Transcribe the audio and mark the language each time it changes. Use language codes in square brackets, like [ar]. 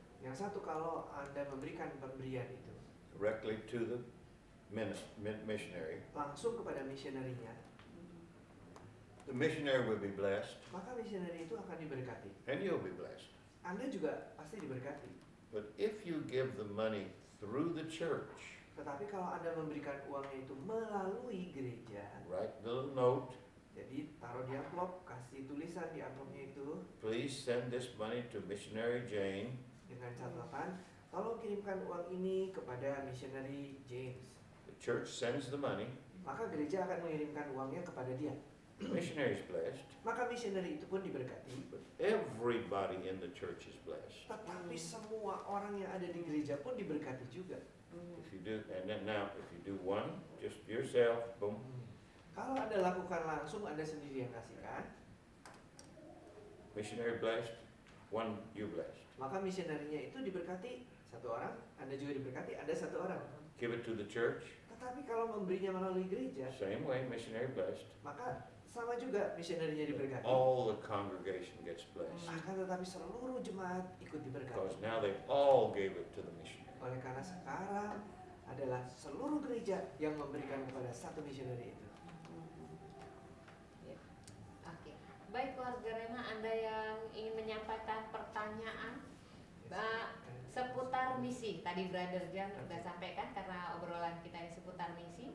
[id] yang satu kalau Anda memberikan pemberian itu [en] directly to the missionary, [id] langsung kepada misionerinya, [en] the missionary will be blessed, [id] maka misionari itu akan diberkati, [en] and you'll be blessed, [id] Anda juga pasti diberkati. [en] But if you give the money through the church, [id] tetapi kalau Anda memberikan uangnya itu melalui gereja, [en] write the little note, [id] jadi taruh di amplop, kasih tulisan di amplopnya itu, [en] please send this money to missionary Jane, [id] dengan catatan tolong kirimkan uang ini kepada missionary James. [en] The church sends the money, [id] maka gereja akan mengirimkan uangnya kepada dia. [en] Missionary is blessed, [id] maka missionary itu pun diberkati. [en] But everybody in the church is blessed, [id] tetapi semua orang yang ada di gereja pun diberkati juga. [en] If you do, and then now if you do one just yourself, boom. [id] Kalau Anda lakukan langsung, Anda sendiri yang kasihkan. [en] Missionary blessed, one you blessed. [id] Maka misionerinya itu diberkati, satu orang, Anda juga diberkati, Anda satu orang. [en] Give it to the church. [id] Tetapi kalau memberinya melalui gereja, [en] same way, missionary blessed. [id] Maka sama juga misionerinya diberkati. [en] All the congregation gets blessed. [id] Maka tetapi seluruh jemaat ikut diberkati. [en] Because now they all gave it to the missionary. [id] Oleh karena sekarang adalah seluruh gereja yang memberikan kepada satu misioneri itu. Baik, keluarga Rema, Anda yang ingin menyampaikan pertanyaan seputar misi. Tadi Brother Jan sudah sampaikan karena obrolan kita ini seputar misi.